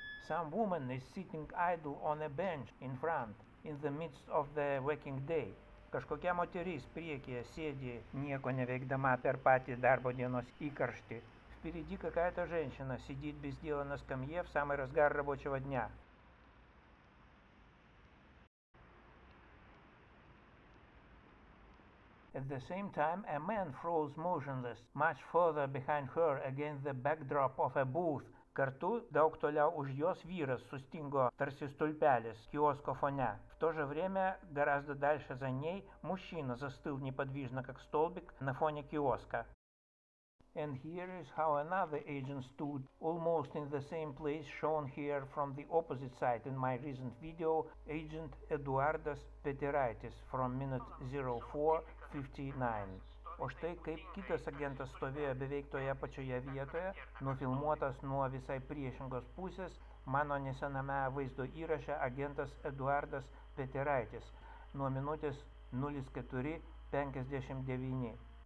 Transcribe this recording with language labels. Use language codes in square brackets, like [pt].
[en] Some woman is sitting idle on a bench in front, in the midst of the working day. [lt] Kažkokia moteris priekyje sėdi, nieko neveikdama per patį darbo dienos įkarštį. [ru] Впереди какая-то женщина сидит без дела на скамье в самый разгар рабочего дня. [en] At the same time, a man froze motionless, much further behind her, against the backdrop of a booth. [lt] Kartu daug toliau už jos vyras sustingo tarsi stulpelis kiosko fone. В то же время, гораздо дальше за ней, мужчина застыл неподвижно, как столбик, на фоне киоска. And here is how another agent stood, almost in the same place shown here from the opposite side in my recent video, agent Eduardas Petiraitis from minute 04:59. O štai kaip kitas agentas stovėjo beveik toje pačioje vietoje, nufilmuotas nuo visai priešingos pusės, mano nesename vaizdo įraše agentas Eduardas Petiraitis nuo minutės 04:59.